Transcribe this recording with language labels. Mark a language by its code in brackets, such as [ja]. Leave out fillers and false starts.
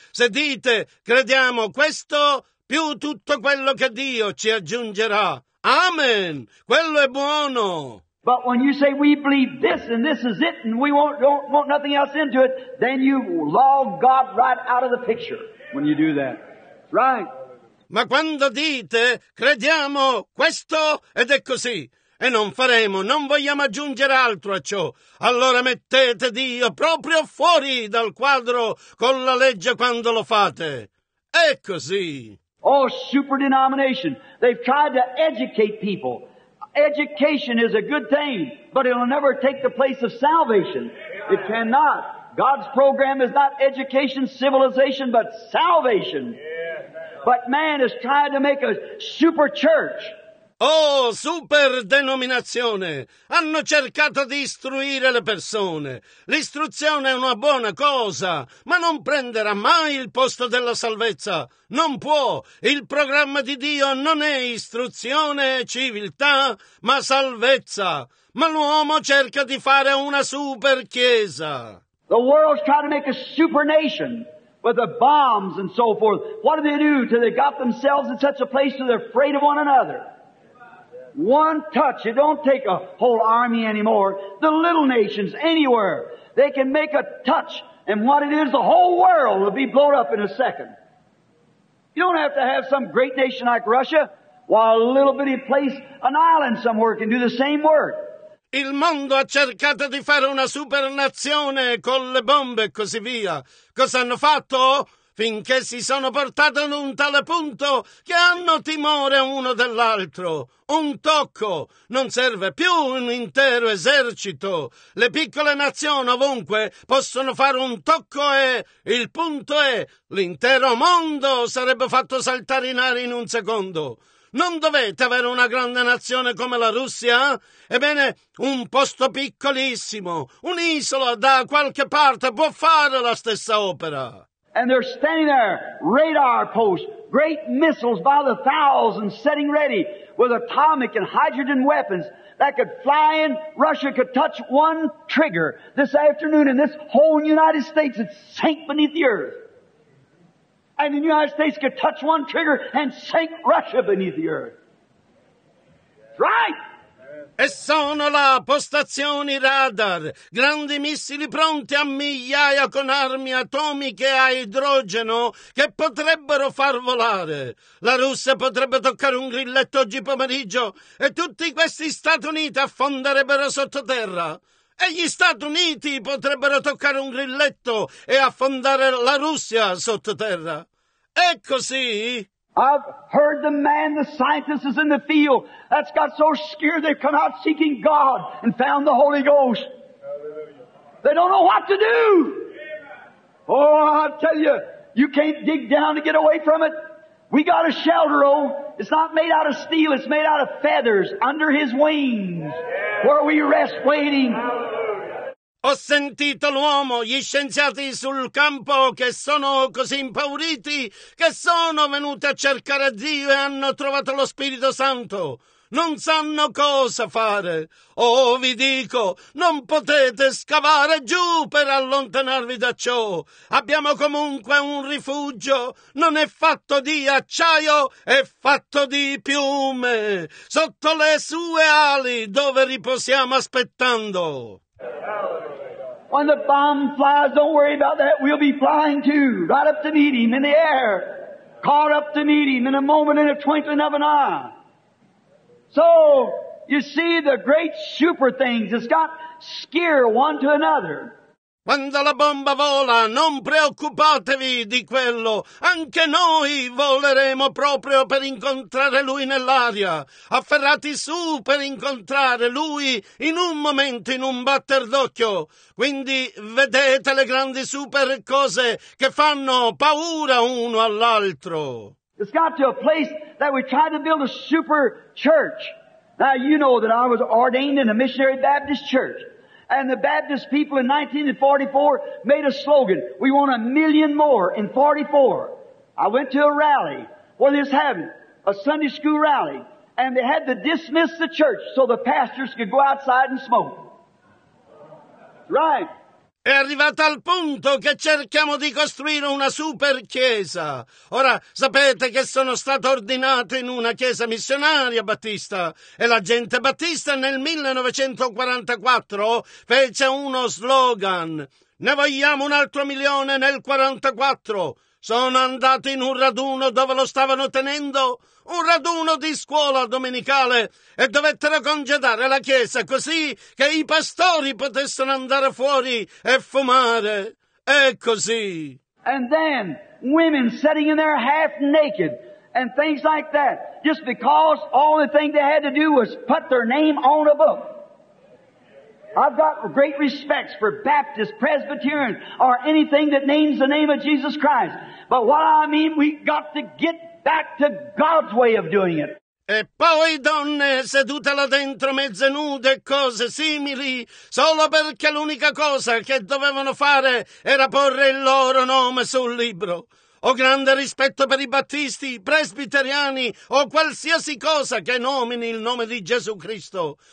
[it] Se dite, crediamo questo, più tutto quello che Dio ci aggiungerà. Amen. Quello è buono. [en] But when you say we believe this and this is it and we don't want nothing else into it, then you log God right out of the picture when you do that. Right? [it] Ma quando dite, crediamo, questo ed è così. E non faremo, non vogliamo aggiungere altro a ciò. Allora mettete Dio proprio fuori dal quadro con la legge quando lo fate. È così. [en] Oh, super denomination. They've tried to educate people. Education is a good thing, but it'll never take the place of salvation. It cannot. God's program is not education, civilization, but salvation. But man is trying to make a super church. [it] Oh, super denominazione! Hanno cercato di istruire le persone. L'istruzione è una buona cosa, ma non prenderà mai il posto della salvezza. Non può. Il programma di Dio non è istruzione e civiltà, ma salvezza. Ma l'uomo cerca di fare una super chiesa. [en] The world's trying to make a super nation with the bombs and so forth. What do? Till they got themselves in such a place that they're afraid of one another. One touch, it don't take a whole army anymore. The little nations, anywhere, they can make a touch, and what it is, the whole world will be blown up in a second. You don't have to have some great nation like Russia, while a little bitty place, an island somewhere, can do the same work. [it] Il mondo ha cercato di fare una supernazione con le bombe e così via. Cosa hanno fatto? Finché si sono portati ad un tale punto che hanno timore uno dell'altro. Un tocco. Non serve più un intero esercito. Le piccole nazioni ovunque possono fare un tocco e il punto è l'intero mondo sarebbe fatto saltare in aria in un secondo. Non dovete avere una grande nazione come la Russia? Ebbene, un posto piccolissimo, un'isola da qualche parte può fare la stessa opera. [en] And they're standing there, radar posts, great missiles by the thousands setting ready with atomic and hydrogen weapons that could fly in. Russia could touch one trigger this afternoon and this whole United States would sink beneath the earth. And the United States could touch one trigger and sink Russia beneath the earth. Right? [it] E sono là postazioni radar, grandi missili pronti a migliaia con armi atomiche a idrogeno che potrebbero far volare. La Russia potrebbe toccare un grilletto oggi pomeriggio e tutti questi Stati Uniti affonderebbero sottoterra. E gli Stati Uniti potrebbero toccare un grilletto e affondare la Russia sottoterra. È così? [en] I've heard the man, the scientist is in the field. That's got so scared they've come out seeking God and found the Holy Ghost. Hallelujah. They don't know what to do. Amen. Oh, I tell you, you can't dig down to get away from it. We got a shelter, oh. It's not made out of steel. It's made out of feathers under his wings. Yeah. Where we rest waiting. Hallelujah. [it] Ho sentito l'uomo, gli scienziati sul campo che sono così impauriti che sono venuti a cercare Dio e hanno trovato lo Spirito Santo. Non sanno cosa fare. Oh, vi dico, non potete scavare giù per allontanarvi da ciò. Abbiamo comunque un rifugio. Non è fatto di acciaio, è fatto di piume. Sotto le sue ali, dove riposiamo aspettando. [en] When the bomb flies, don't worry about that. We'll be flying too, right up to meet him in the air. Caught up to meet him in a moment, in a twinkling of an eye. So, you see, the great super things has got scare one to another. [it] Quando la bomba vola, non preoccupatevi di quello. Anche noi voleremo proprio per incontrare Lui nell'aria. Afferrati su per incontrare Lui in un momento, in un batter d'occhio. Quindi vedete le grandi super cose che fanno paura uno all'altro. [en] It's got to a place that we try to build a super church. Now you know that I was ordained in a missionary Baptist church. And the Baptist people in 1944 made a slogan. We want a million more in 44. I went to a rally. What is happening? A Sunday school rally. And they had to dismiss the church so the pastors could go outside and smoke. Right. [it] È arrivato al punto che cerchiamo di costruire una super chiesa. Ora, sapete che sono stato ordinato in una chiesa missionaria battista e la gente battista nel 1944 fece uno slogan. Ne vogliamo un altro milione nel 44. Sono andato in un raduno dove lo stavano tenendo, un raduno di scuola domenicale, e dovettero congedare la chiesa così che i pastori potessero andare fuori e fumare. E così. [en] And then women sitting in there half naked and things like that, just because all the thing they had to do was put their name on a book. I've got great respects for Baptist, Presbyterian, or anything that names the name of Jesus Christ. But what I mean, we got to get back to God's way of doing it. [it] E poi donne sedute là dentro mezze nude e cose simili, solo perché l'unica cosa che dovevano fare era porre il loro nome sul libro. Ho grande rispetto per i battisti, presbiteriani o qualsiasi cosa che nomini il nome di Gesù Cristo.